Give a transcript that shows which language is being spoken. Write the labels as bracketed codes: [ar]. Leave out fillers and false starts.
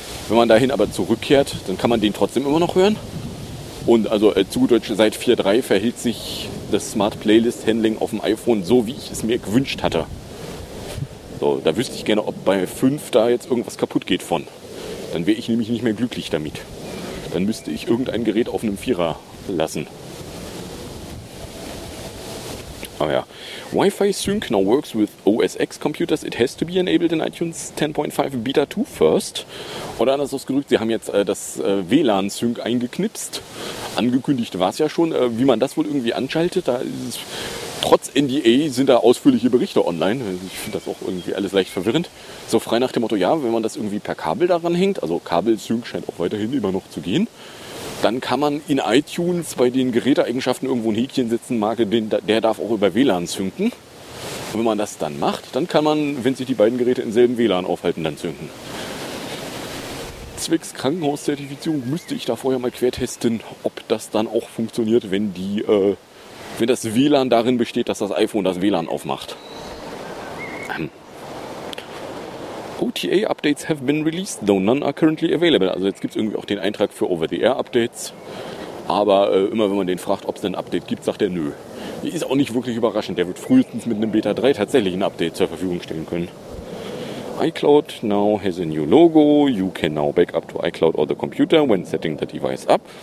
[de] Wenn man dahin aber zurückkehrt, dann kann man den trotzdem immer noch hören. Und also zu gut Deutsch, seit 4.3 verhält sich das Smart Playlist Handling auf dem iPhone so, wie ich es mir gewünscht hatte. So, da wüsste ich gerne, ob bei 5 da jetzt irgendwas kaputt geht von. Dann wäre ich nämlich nicht mehr glücklich damit. Dann müsste ich irgendein Gerät auf einem 4er lassen. Oh ja. [en] Wi-Fi Sync now works with OS X computers. It has to be enabled in iTunes 10.5 Beta 2 first. [de] Oder anders ausgedrückt, sie haben jetzt das WLAN-Sync eingeknipst. Angekündigt war es ja schon. Wie man das wohl irgendwie anschaltet, da ist es, trotz NDA sind da ausführliche Berichte online. Ich finde das auch irgendwie alles leicht verwirrend. So frei nach dem Motto, ja, wenn man das irgendwie per Kabel daran hängt, also Kabel-Sync scheint auch weiterhin immer noch zu gehen, dann kann man in iTunes bei den Geräteeigenschaften irgendwo ein Häkchen setzen, der darf auch über WLAN zünden. Und wenn man das dann macht, dann kann man, wenn sich die beiden Geräte im selben WLAN aufhalten, dann zünden. Zwecks Krankenhauszertifizierung müsste ich da vorher mal quertesten, ob das dann auch funktioniert, wenn das WLAN darin besteht, dass das iPhone das WLAN aufmacht. [en] OTA-Updates have been released, though none are currently available. [de] Also jetzt gibt es irgendwie auch den Eintrag für Over-the-Air-Updates. Aber immer wenn man den fragt, ob es ein Update gibt, sagt er nö. Ist auch nicht wirklich überraschend. Der wird frühestens mit einem Beta 3 tatsächlich ein Update zur Verfügung stellen können. [en] iCloud now has a new logo. You can now backup to iCloud or the computer when setting the device up.